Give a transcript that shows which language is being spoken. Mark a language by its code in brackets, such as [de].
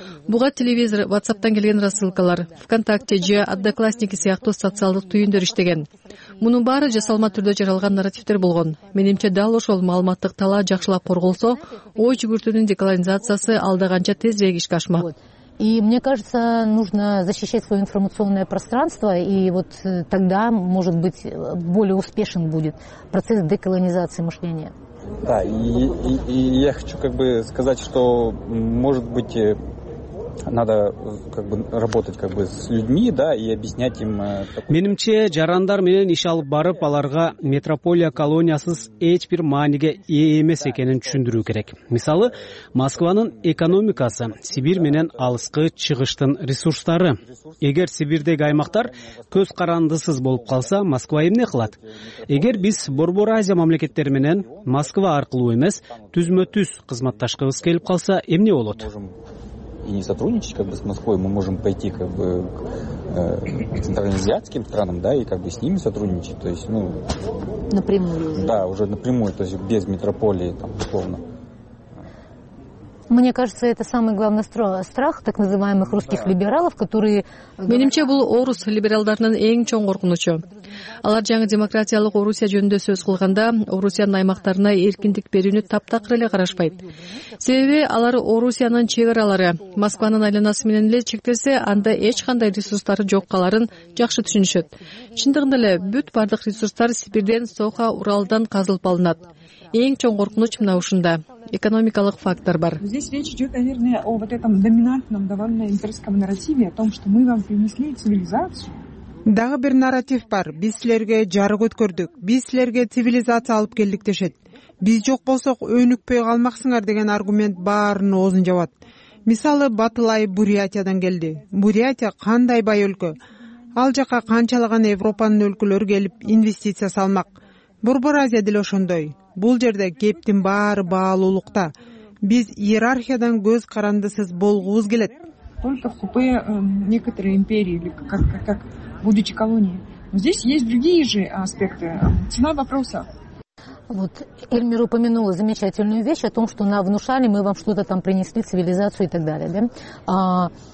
[ky] Буга телевизор, WhatsApp'тан келген рассылкалар, ВКонтакте же Одноклассники сыяктуу социалдык түйүндөр иштеген. Мунун баары жасалма түрдө жаралган нарративдер болгон. Менимче дал ошол маалыматтык талаа жакшылап корголсо, ой жүгүртүүнүн деколонизациясы алдаганча тезирээк ишке ашмак. [ru] И мне кажется, нужно защищать свое информационное пространство, и вот тогда, может быть, более успешен будет процесс деколонизации мышления. Да, и я хочу как бы сказать, что, может быть, надо как бы работать как бы с людьми, да, и объяснять им. [ky] Менимче жарандар менен иш алып барып, аларга метрополия колониясыз эч бир мааниге ээ эмес экенин түшүндүрүү керек. Мисалы, Москванын экономикасы, Сибирь менен алыскы чыгыштын ресурстары. Эгер Сибирдеги аймактар көз карандысыз болуп калса, Москва эмне кылат? Эгер биз Борбор Азия мамлекеттери менен Москва аркылуу эмес, түзмө-түз кызматташкыбыз келип калса, эмне болот? [ru] И не сотрудничать как бы с Москвой, мы можем пойти как бы к центральноазиатским странам, да, и как бы с ними сотрудничать, то есть, ну... Напрямую уже. Да, уже напрямую, то есть без метрополии, там, условно. Мне кажется, это самый главный страх так называемых русских либералов, которые... [ky] Менимче бул орус либералдарынын эң чоң коркунучу. Алар жаңы демократиялык Орусия жөнүндө сөз кылганда, Орусиянын аймактарына эркиндик берүүнү таптакыр эле карашпайт. Себеби алар Орусиянын чек аралары, Москванын айланасы менен эле чектелсе, анда эч кандай ресурстары жок калаарын жакшы түшүнүшөт. Чындыгында эле бүт бардык ресурстар Сибирден, Соха, Уралдан казылып алынат. Эң чоң коркунуч мына ушунда. Экономикалык фактор бар. [ru] Здесь речь идет, наверное, о вот этом доминантном довольно имперском нарративе, о том, что мы вам принесли цивилизацию. [ky] Дагы бир нарратив бар. Биз силерге жарык өткөрдүк. Биз силерге цивилизация алып келдик дешет. Биз жок болсок өнүкпөй калмаксыңар деген аргумент баарын оозун жабат. Мисалы, Батылай Бурятиядан келди. Бурятия кандай бай өлкө. Ал жака канчалаган Европанын өлкөлөрү келип инвестиция салмак. Борбор Азия деле ошондой. Бул жерде кептин баары баалуулукта. Биз иерархиядан көз карандысыз болгубуз келет. [ru] Только купе некоторые империи или как будучи колонии. Но здесь есть другие же аспекты. Цена вопроса. Вот Эльмир упомянула замечательную вещь о том, что нам внушали, мы вам что-то там принесли, цивилизацию и так далее. Да?